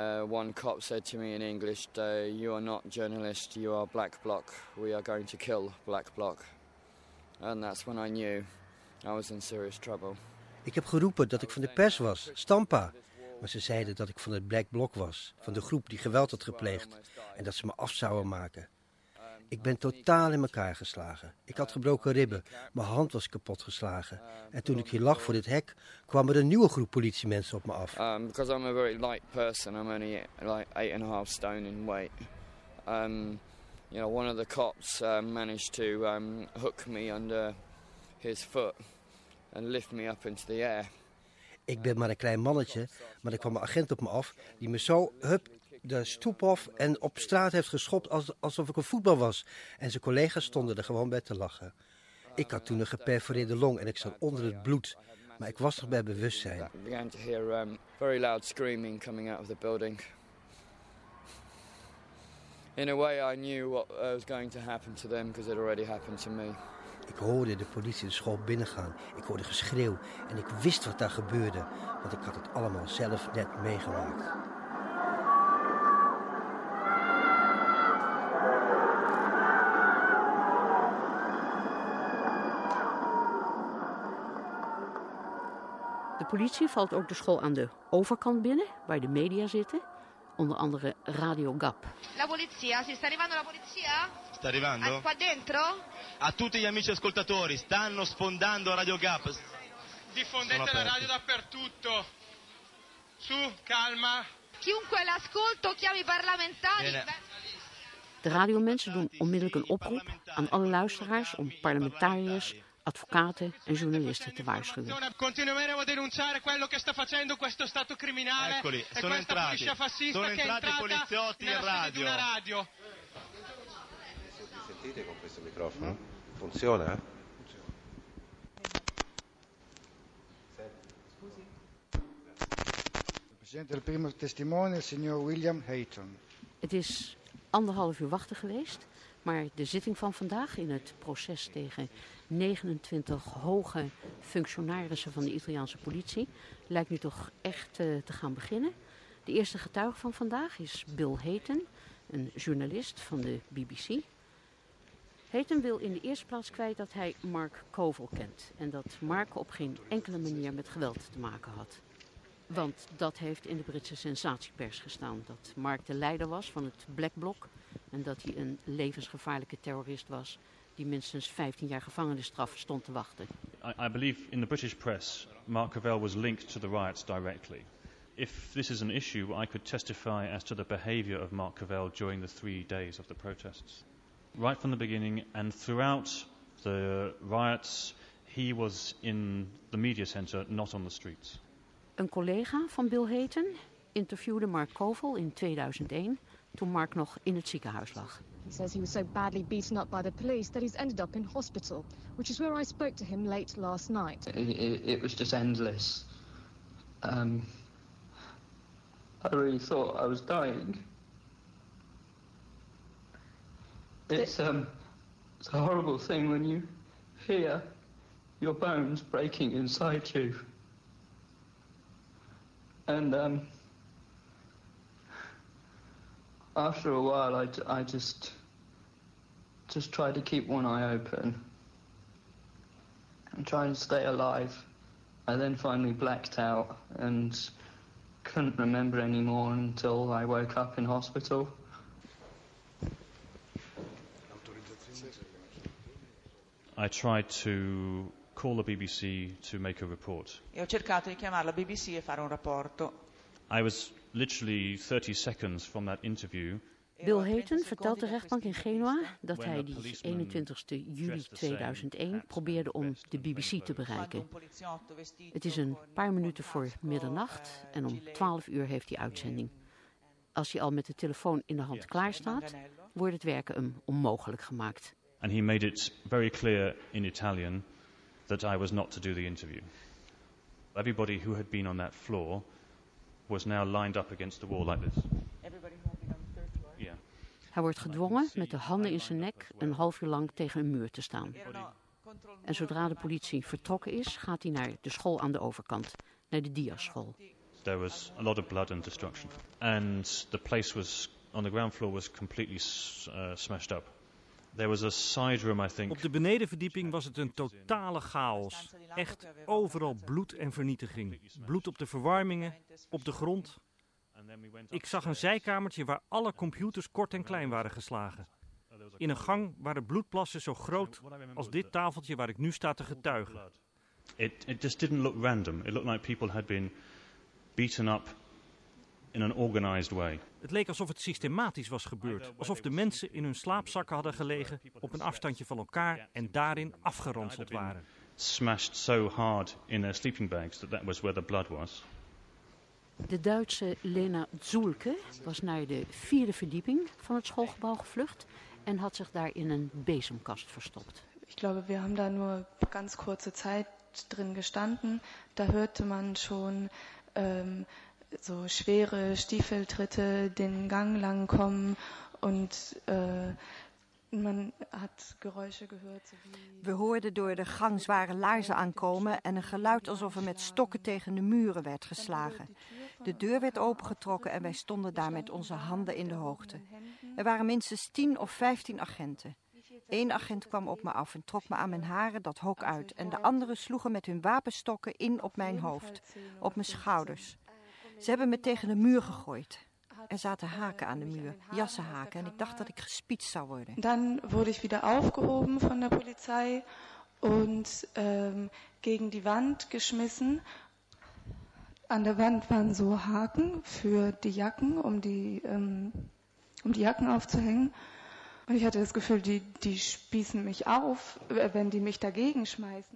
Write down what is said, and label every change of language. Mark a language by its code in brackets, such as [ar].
[en] One cop said to me in English, you are not journalist, you are Black Bloc. We are going to kill Black Bloc. And that's when I knew I was in serious trouble. [nl] Ik heb geroepen dat ik van de pers was, stamper. Maar ze zeiden dat ik van het Black Bloc was, van de groep die geweld had gepleegd en dat ze me af zouden maken. Ik ben totaal in elkaar geslagen. Ik had gebroken ribben. Mijn hand was kapot geslagen. En toen ik hier lag voor dit hek, kwam er een nieuwe groep politiemensen op me af. [en] Because I'm a very light person, I'm only like 8.5 stone in weight. You know, one of the cops managed to hook me under his foot and lift me up into the air. [nl] Ik ben maar een klein mannetje, maar er kwam een agent op me af die me zo hup de stoep af en op straat heeft geschopt alsof ik een voetbal was. En zijn collega's stonden er gewoon bij te lachen. Ik had toen een geperforeerde long en ik zat onder het bloed. Maar ik was nog bij bewustzijn. [en] I began to hear very loud screaming coming out of the building. In a way I knew what was going to happen to them because it already happened to me. [nl] Ik hoorde de politie de school binnengaan. Ik hoorde geschreeuw en ik wist wat daar gebeurde. Want ik had het allemaal zelf net meegemaakt. De politie valt ook de school aan de overkant binnen, waar de media zitten. Onder andere Radio Gap. [it] La polizia, si sta arrivando la polizia? Sta arrivando? Qua dentro? A tutti gli amici ascoltatori, stanno sfondando Radio Gap. Diffondete la radio dappertutto. Su, calma. Chiunque l'ascolto chiami parlamentari. De radiomensen doen onmiddellijk een oproep aan alle luisteraars om parlementariërs, advocaten en journalisten te waarschuwen. Continueremo a denunciare quello che sta facendo questo stato criminale e questa polizia fascista. Sono entrati i poliziotti in radio. Una radio. Sentite con questo microfono? Funziona? Scusi. Il presidente del primo testimone, il signor William Hayton. [nl] Het is 1,5 uur wachten geweest, maar de zitting van vandaag in het proces tegen 29 hoge functionarissen van de Italiaanse politie. Lijkt nu toch echt te gaan beginnen. De eerste getuige van vandaag is Bill Hayton, een journalist van de BBC. Hayton wil in de eerste plaats kwijt dat hij Mark Koval kent en dat Mark op geen enkele manier met geweld te maken had. Want dat heeft in de Britse sensatiepers gestaan, dat Mark de leider was van het Black Bloc en dat hij een levensgevaarlijke terrorist was die minstens 15 jaar gevangenisstraf stond te wachten. [en] I believe in the British press Mark Koval was linked to the riots directly. If this is an issue, I could testify as to the behavior of Mark Koval during the 3 days of the protests. Right from the beginning and throughout the riots, he was in the media center, not on the streets. [nl] Een collega van Bill Hayton interviewde Mark Koval in 2001, toen Mark nog in het ziekenhuis lag. [en] He says he was so badly beaten up by the police that he's ended up in hospital, which is where I spoke to him late last night. It was just endless. I really thought I was dying. It's a horrible thing when you hear your bones breaking inside you. And after a while, I just try to keep one eye open and try and stay alive. I then finally blacked out and couldn't remember anymore until I woke up in hospital. I tried to call the BBC to make a report. [it] E ho cercato di chiamare la BBC e fare un rapporto. [en] I was literally 30 seconds from that interview. [nl] Bill Hayton vertelt de rechtbank in Genua dat hij die 21ste juli 2001 probeerde om de BBC te bereiken. Het is een paar minuten voor middernacht en om 12 uur heeft hij uitzending. Als hij al met de telefoon in de hand klaar staat, wordt het werken hem onmogelijk gemaakt. [en] And he made it very clear in Italian that I was not to do the interview. Everybody who had been on that floor was now lined up against the wall like this. Everybody who had been on the third floor? Yeah. [nl] Hij wordt gedwongen met de handen in zijn nek een half uur lang tegen een muur te staan. En zodra de politie vertrokken is, gaat hij naar de school aan de overkant, naar de Diaz-school. [en] There was a lot of blood and destruction. And the place was on the ground floor was completely smashed up. There was a side room, I think. [nl] Op de benedenverdieping was het een totale chaos. Echt overal bloed en vernietiging. Bloed op de verwarmingen, op de grond. Ik zag een zijkamertje waar alle computers kort en klein waren geslagen. In een gang waren bloedplassen zo groot als dit tafeltje waar ik nu sta te getuigen. [en] It just didn't look random. It looked like people had been beaten up. In an organized way. [nl] Het leek alsof het systematisch was gebeurd. Alsof de mensen in hun slaapzakken hadden gelegen op een afstandje van elkaar en daarin afgeranseld waren. [en] Smashed so hard in their sleeping bags that was where the blood was. [nl] De Duitse Lena Zulke was naar de vierde verdieping van het schoolgebouw gevlucht en had zich daar in een bezemkast verstopt. [de] Ik glaube, [nl] we hebben daar [de] nur ganz kurze Zeit drin gestanden. Da hörte man schon so schwere Stiefeltritte den Gang lang kommen und man hat Geräusche gehört. [nl] We hoorden door de gang zware laarzen aankomen en een geluid alsof er met stokken tegen de muren werd geslagen. De deur werd opengetrokken en wij stonden daar met onze handen in de hoogte. Er waren minstens 10 of 15 agenten. Eén agent kwam op me af en trok me aan mijn haren dat hok uit en de anderen sloegen met hun wapenstokken in op mijn hoofd, op mijn schouders. Ze hebben me tegen de muur gegooid. Er zaten haken aan de muur, jassenhaken, en ik dacht dat ik gespietst zou worden. [de] Dan wurde ich wieder aufgehoben von der Polizei und gegen die Wand geschmissen. An der Wand waren so Haken für die Jacken, um die Jacken aufzuhängen. Ich hatte das Gefühl, die spießen mich auf, wenn die mich dagegen schmeißen.